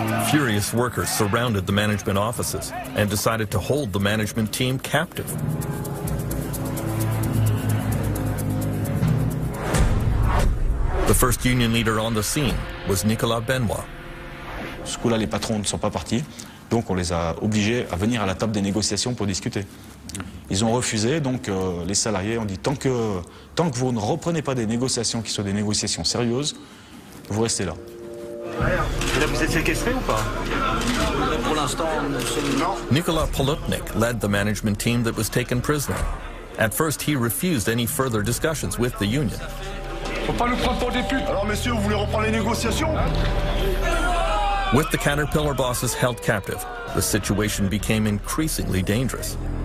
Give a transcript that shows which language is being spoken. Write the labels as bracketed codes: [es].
[en] Furious workers surrounded the management offices and decided to hold the management team captive. The first union leader on the scene was Nicolas Benoit. [fr] Ce coup-là, les patrons ne sont pas partis, donc on les a obligés à venir à la table des négociations pour discuter. Ils ont refusé, donc les salariés ont dit tant que vous ne reprenez pas des négociations qui soient des négociations sérieuses, vous restez là. Et là, vous êtes séquestrés ou pas? Pour l'instant, non. [en] Nicolas Polutnik led the management team that was taken prisoner. At first, he refused any further discussions with the union. [fr] Faut pas nous prendre pour des putes. Alors, messieurs, vous voulez reprendre les négociations? [en] With the Caterpillar bosses held captive, the situation became increasingly dangerous.